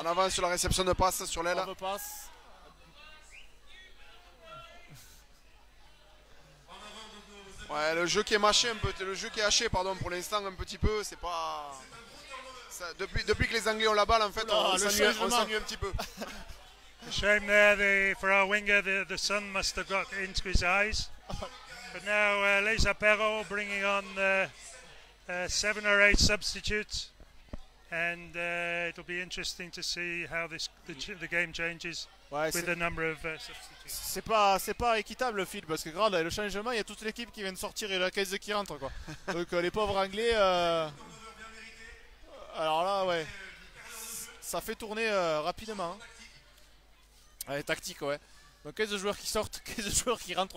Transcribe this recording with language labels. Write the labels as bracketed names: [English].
[French] En avant sur la réception de passe sur l'aile. On passe. Ouais, le jeu qui est mâché un peu, le jeu qui est haché pardon pour l'instant un petit peu, c'est pas ça, depuis que les Anglais ont la balle en fait, on s'ennuie un petit peu. [English] Shame there for our winger, the sun must have got into his eyes. But now Les Apéros bringing on the 7 or 8 substitutes, and it'll be interesting to see how the game changes, ouais, with the number of substitutes. [French] C'est pas équitable, Phil, parce que regarde le changement, il y a toute l'équipe qui vient de sortir et la caisse qui rentre, quoi. Donc les pauvres Anglais. Alors là, ouais, ça fait tourner rapidement. Allez, tactique, ouais. Donc 15 joueurs qui sortent, 15 joueurs qui rentrent.